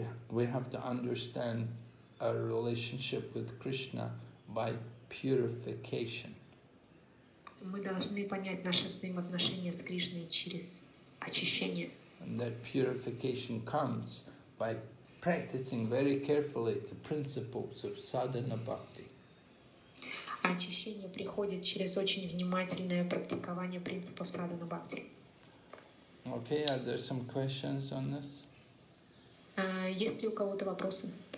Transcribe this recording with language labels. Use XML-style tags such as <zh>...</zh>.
<en>We have to understand our relationship with Krishna by purification.</en> <ru>Мы должны понять наши взаимоотношения с Кришной через очищение.</ru> <en>And that purification comes by practicing very carefully the principles of sadhana bhakti.</en> <ru>Очищение приходит через очень внимательное практикование принципов садхана бхакти.</ru> <en>Okay, are there some questions on this?</en> <ru>Есть ли у кого-то вопросы?</ru>